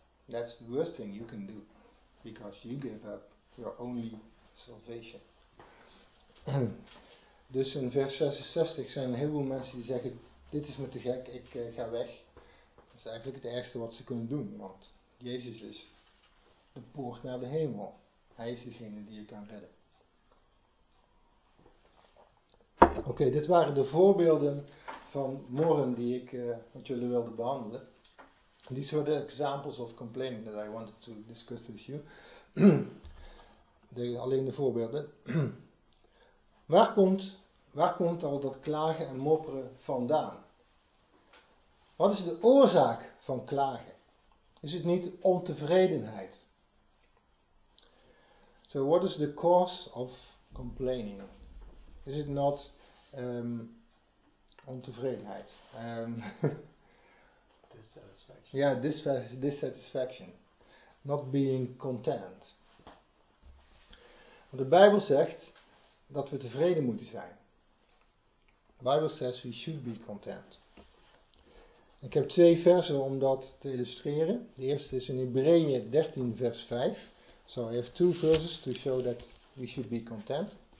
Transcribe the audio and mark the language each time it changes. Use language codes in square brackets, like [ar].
[en] That's the worst thing you can do, because you give up your only salvation. [nl] Dus in vers 66 zijn een heleboel mensen die zeggen: dit is me te gek, ik ga weg. Dat is eigenlijk het ergste wat ze kunnen doen, want Jezus is de poort naar de hemel. Hij is degene die je kan redden. Oké, dit waren de voorbeelden van morren die ik met jullie wilde behandelen. [en] These were the examples of complaining that I wanted to discuss with you. [nl] Alleen de voorbeelden. Waar komt al dat klagen en mopperen vandaan? Wat is de oorzaak van klagen? Is het niet ontevredenheid? [en] So what is the cause of complaining? Is it not ontevredenheid? Dissatisfaction. Yeah, dissatisfaction. Not being content. [nl] De Bijbel zegt dat we tevreden moeten zijn. [en] The Bible says we should be content. [nl] Ik heb twee versen om dat te illustreren. De eerste is in Hebreeën 13 vers 5. [en] So I have two verses to show that we should be content.